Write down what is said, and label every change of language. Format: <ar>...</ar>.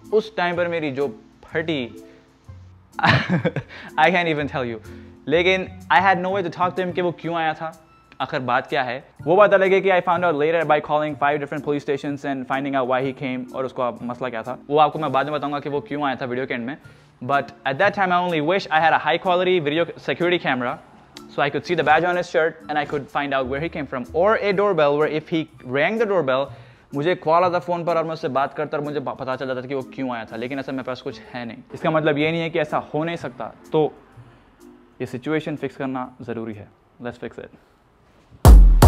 <hi>उस टाइम पर मेरी जो फटी</hi> <en>I can even tell you,</en> <hi>लेकिन</hi> <en>I had no way to talk to him</en> <hi>कि वो क्यों आया था, आखिर बात क्या है। वो बात अलग है कि</hi> <en>I found out later by calling 5 different police stations and finding out why he came,</en> <hi>और उसका मसला क्या था वो आपको मैं बाद में बताऊंगा कि वो क्यों आया था वीडियो के एंड में।</hi> <en>But at that time, I only wish I had a high-quality video security camera so I could see the badge on his shirt and I could find out where he came from. Or a doorbell where if he rang the doorbell,</en> <hi>मुझे call आता phone पर और मैं उससे बात करता और मुझे पता चल जाता कि वो क्यों आया था। लेकिन ऐसा मेरे पास कुछ है नहीं। इसका मतलब ये नहीं है कि ऐसा हो नहीं सकता। तो ये सिचुएशन फिक्स करना ज़रूरी है।</hi> <en>Let's fix it.</en>